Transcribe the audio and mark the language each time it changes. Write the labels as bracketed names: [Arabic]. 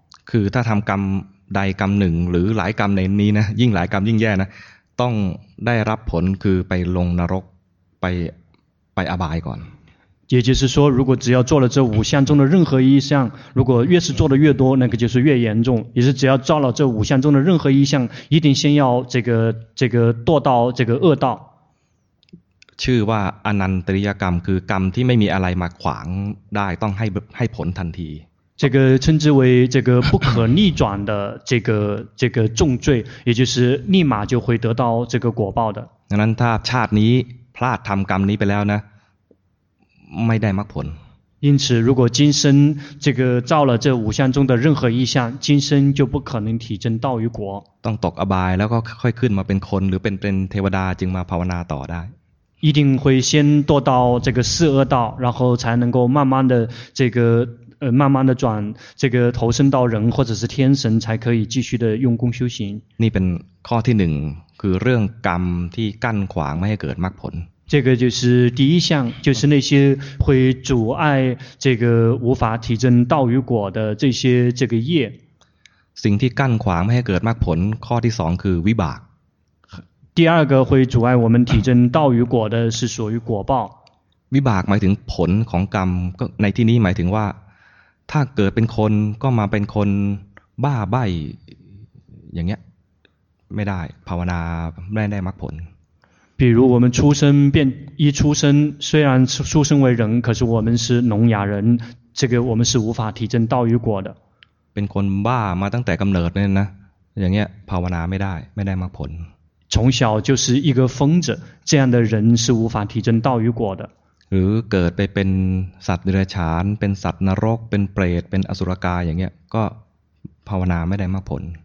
[Thai] คือถ้าทำกรรมใดกรรมหนึ่งหรือหลายกรรมในนี้นะยิ่งหลายกรรมยิ่งแย่นะต้องได้รับผลคือไปลงนรกไปอบายก่อน [Chinese] 也就是说如果只要做了这五项中的任何一项如果越是做的越多那个就是越严重也是只要做了这五项中的任何一项一定先要这个堕到这个恶道 [Thai] ชื่อว่าอนันตริยกรรมคือกรรมที่ไม่มีอะไรมาขวางได้ต้องให้ผลทันที [Chinese] 这个称之为这个不可逆转的这个重罪，也就是立马就会得到这个果报的。那那他 [Thai] ชาตินี้พลาดทำกรรมนี้ไปแล้วนะไม่ได้มรรคผล。 [Chinese] 因此，如果今生这个造了这五项中的任何一项，今生就不可能提升道与果。 [Thai] ต้องตกอบายแล้วก็ค่อยขึ้นมาเป็นคนหรือเป็นเทวดาจึงมาภาวนาต่อได้。 [Chinese] 一定会先堕到这个四恶道，然后才能够慢慢的这个。慢慢的转这个投身到人或者是天神才可以继续的用功修行 [Thai] นี่เป็นข้อที่หนึ่งคือเรื่องกรรมที่กั้นขวางไม่ให้เกิดมรรคผล [Chinese] 这个就是第一项就是那些会阻碍这个无法提升道与果的这些这个业 [Thai] สิ่งที่กั้นขวางไม่ให้เกิดมรรคผลข้อที่สองคือวิบาก [Chinese] 第二个会阻碍我们提升道与果的是属于果报 [Thai] วิบากหมายถึงผลของกรรมก็ในที่นี้หมายถึงว่าถ้าเกิดเป็นคนก็มาเป็นคนบ้าใบ้อย่างเงี้ยไม่ได้ภาวนาไม่ได้มรรคผล [Chinese] 比如我们出生变一出生虽然出生为人可是我们是聋哑人这个我们是无法提升道与果的 [Thai] เป็นคนบ้ามาตั้งแต่กำเนิดเนี่ยนะอย่างเงี้ยภาวนาไม่ได้มรรคผล [Chinese] 从小就是一个疯子这样的人是无法提升道与果的 [Thai] หรือเกิดไปเป็นสัตว์เดรัจฉานเป็นสัตว์นรกเป็นเปรตเป็นอสุรกายอย่างเงี้ยก็ภาวนาไม่ได้มากผล